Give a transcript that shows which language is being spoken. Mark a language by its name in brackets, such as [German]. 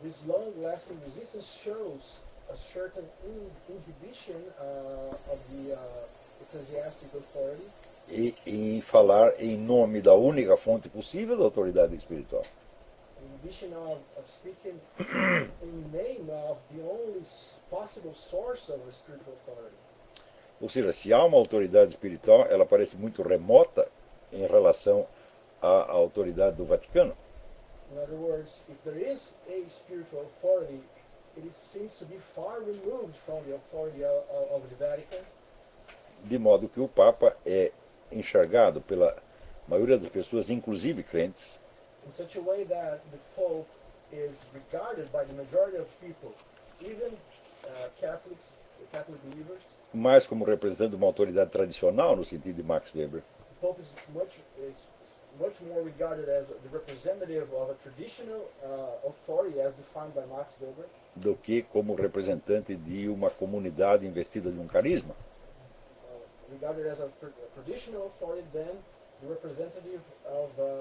[English] This long-lasting resistance shows a certain inhibition of the ecclesiastic authority. [Portuguese] E em falar em nome da única fonte possível da autoridade espiritual. [English] Of speaking in name of the only possible source of a spiritual authority. [Portuguese] Ou seja, se há uma autoridade espiritual, ela parece muito remota em relação à autoridade do Vaticano. [English] In other words, if there is a spiritual authority, it seems to be far removed from the authority of the Vatican. [Portuguese] De modo que o Papa é enxergado pela maioria das pessoas, inclusive crentes, [English] in such a way that the Pope is regarded by the majority of people, even Catholics, Catholic believers, [Portuguese] mais como representando uma autoridade tradicional no sentido de Max Weber. [English] The Pope is much more regarded as the representative of a traditional authority as defined by Max Weber, [Portuguese] do que como representante de uma comunidade investida de um carisma. [English] Regarded as a traditional authority, then the representative of